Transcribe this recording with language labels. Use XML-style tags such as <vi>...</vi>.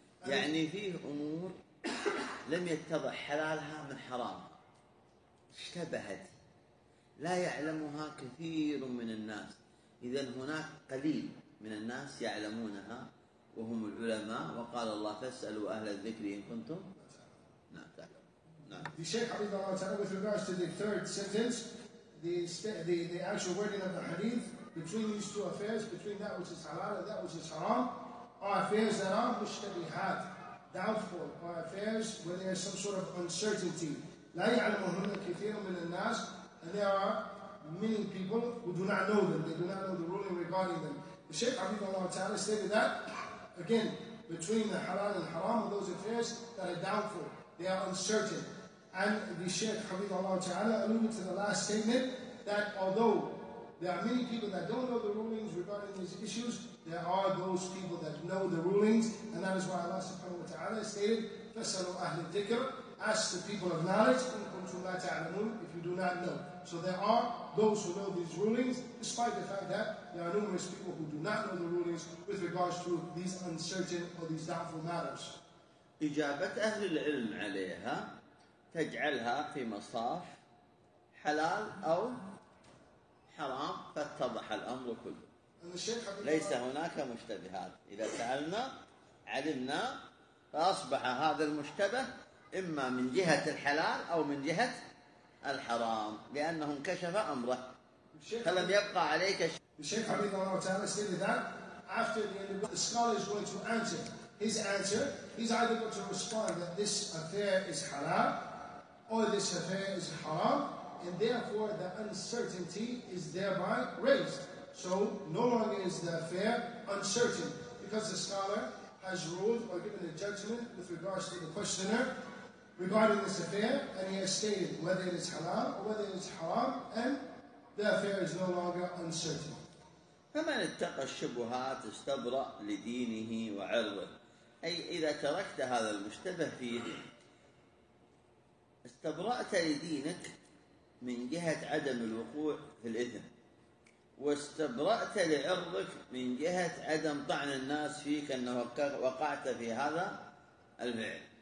<ar>يعني فيه أمور لم يتضح حلالها من حرام، اشتبهت، لا يعلمها كثير من الناس. إذن هناك قليل من الناس يعلمونها وهم العلماء، وقال الله فاسألوا أهل الذكر إن كنتم لا تعلمون.</ar> <en>The Shaykh Habibullah Ta'ala, with regards to the third sentence, the actual wording of the hadith, between these two affairs, between that which is halal and that which is haram, are affairs that are mushtabihat, doubtful, are affairs where there is some sort of uncertainty. لا يعلمهن كثير من الناس, and there are many people who do not know them, they do not know the ruling regarding them. The Shaykh Habibullah Ta'ala stated that, again, between the halal and haram are those affairs that are doubtful, they are uncertain. And the Shaykh Habib Allah Ta'ala alluded to the last statement that although there are many people that don't know the rulings regarding these issues, there are those people that know the rulings, and that is why Allah subhanahu wa ta'ala stated, فَسَلُوا أَهْلِ الذِّكْرِ, ask the people of knowledge, إِن كُنْتُمْ لَا تَعْلَمُونَ, if you do not know. So there are those who know these rulings, despite the fact that there are numerous people who do not know the rulings with regards to these uncertain or these doubtful matters.</en> <ar>إجابت أهل العلم عليها تجعلها في مصاف حلال أو حرام فاتضح الأمر كله. ليس هناك مشتبهات. إذا سألنا علمنا فأصبح هذا المشتبه إما من جهة الحلال أو من جهة الحرام لأنه انكشف أمره. فلم يبقى عليك شيء.</ar> <en>الشيخ حبيب الله تعالى stated that after the scholar is going to answer his answer, he's either going to respond that this affair is halal or this affair is haram, and therefore the uncertainty is thereby raised. So no longer is the affair uncertain because the scholar has ruled or given a judgment with regards to the questioner regarding this affair, and he has stated whether it is halal or whether it is haram, and the affair is no longer uncertain.</en> <ar>فمن اتقى الشبهات استبرأ لدينه وعرضه. أي إذا تركت هذا المشتبه فيه استبرأت لدينك من جهة عدم الوقوع في الإثم, واستبرأت لعرضك من جهة عدم طعن الناس فيك أنه وقعت في هذا الفعل.</ar>